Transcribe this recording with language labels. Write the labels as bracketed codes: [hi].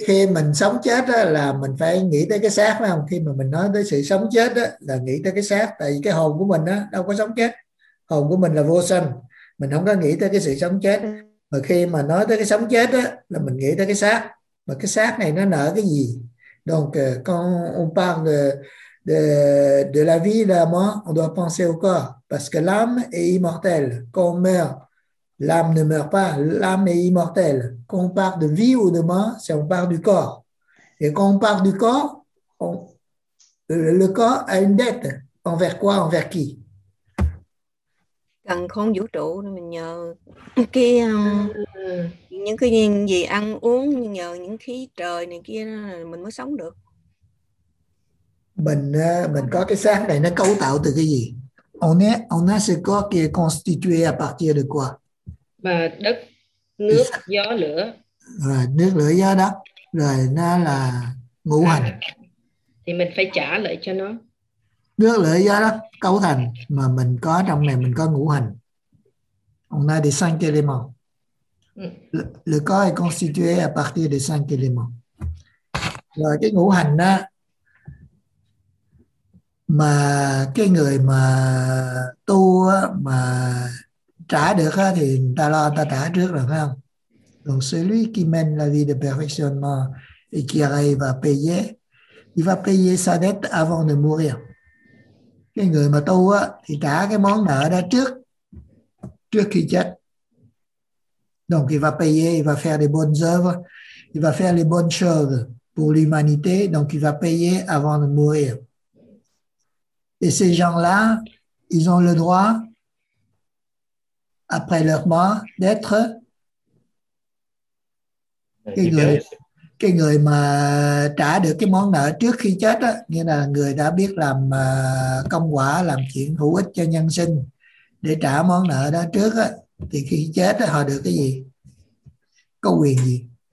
[vi] Khi mình sống chết đó, là mình phải nghĩ tới cái xác phải không? Khi mà mình nói tới sự sống chết đó, là nghĩ tới cái xác. Tại vì cái hồn của mình đó, đâu có sống chết. Hồn của mình là vô sanh. Mình không có nghĩ tới cái sự sống chết. Mà khi mà nói tới cái sống chết đó, là mình nghĩ tới cái xác. Mà cái xác này nó nợ cái gì? [fr] Donc, on parle de la vie et la mort, on doit penser au corps. Parce que l'âme est immortelle. Quand on meurt, l'âme ne meurt pas. L'âme est immortelle. Quand on parle de vie ou de mort, c'est on parle du corps. Et quand on parle du corps, le corps a une dette. Envers quoi? Envers qui? [vi] Cần không vũ trụ mình nhờ cái những cái gì ăn uống, nhờ những khí trời này kia mình mới sống được. Mình có cái xác này nó cấu tạo từ cái gì? [fr] On a ce corps qui est constitué à partir de quoi? [vi] Mà đất, nước, gió, lửa. Rồi, nước, lửa, gió, đất. Rồi nó là ngũ hành. Thì mình phải trả lại cho nó. Nước lửa gió đó cấu thành mà mình có trong này, mình có ngũ hành. [fr] On a des cinq éléments. Le corps est constitué à partir des cinq éléments. [vi] Rồi cái ngũ hành đó mà cái người mà tu á, mà trả được á, thì người ta lo người ta trả trước rồi phải không? [fr] Donc celui qui mène la vie de perfectionnement et qui arrive à payer, il va payer sa dette avant de mourir. [vi] Cái người mà tu á, thì trả cái món nợ đó trước, trước khi chết. [fr] Donc il va payer, il va faire les bonnes œuvres, il va faire les bonnes choses pour l'humanité, donc il va payer avant de mourir. Et ces gens-là, ils ont le droit, après leur mort, d'être... [vi] cái người mà trả được cái món nợ trước khi chết á, nghĩa là người đã biết làm công quả, làm chuyện hữu ích cho nhân sinh để trả món nợ đó trước á, thì khi chết họ được cái gì, có quyền gì?